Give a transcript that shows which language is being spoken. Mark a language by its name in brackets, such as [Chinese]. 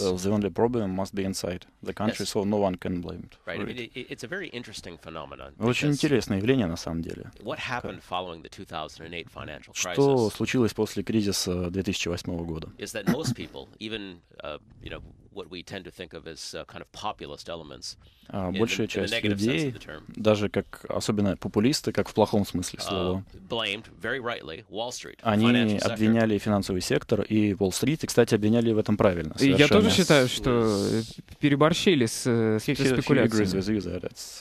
[English] The only problem must be inside the country, so no one can blame it. Right. It's a very interesting phenomenon. [Russian] Очень интересное явление на самом деле. [English] What happened following the 2008 financial crisis? [Russian] Что случилось после кризиса 2008 года? [English] Is that most people, even you know, what we tend to think of as kind of populist elements, [Russian] большая часть людей, даже как особенно популисты, как в плохом смысле слова, [English] blamed very rightly Wall Street, [Russian] они обвиняли финансовый сектор и Уолл-стрит, и, кстати, обвиняли в этом правильно. И я тоже считаю, что переборщили с спекуляцией.